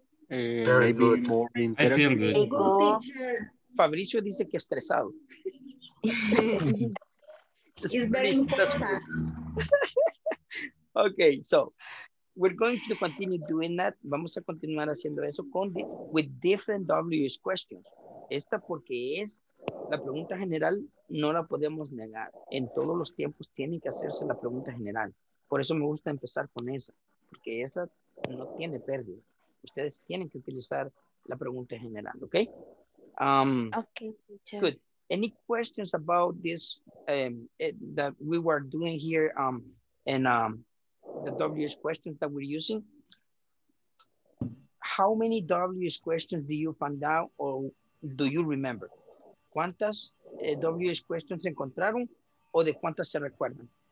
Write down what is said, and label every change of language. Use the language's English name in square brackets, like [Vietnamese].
[English] Very good. More interesting. I feel good. Hey, good teacher. [Spanish] Fabricio dice que estresado. [English] It's very important. Okay, so we're going to continue doing that. [Spanish] Vamos a continuar haciendo eso con [English] with different WH questions. [Spanish] Esta porque es la pregunta general, no la podemos negar. En todos los tiempos tiene que hacerse la pregunta general. Por eso me gusta empezar con esa. Porque esa no tiene pérdida. Ustedes tienen que utilizar la pregunta general, ¿ok? [English] Okay, good. Any questions about this that we were doing here and the WH questions that we're using? How many WH questions do you find out or do you remember? [Spanish] ¿Cuántas WH questions encontraron o de cuántas se recuerdan?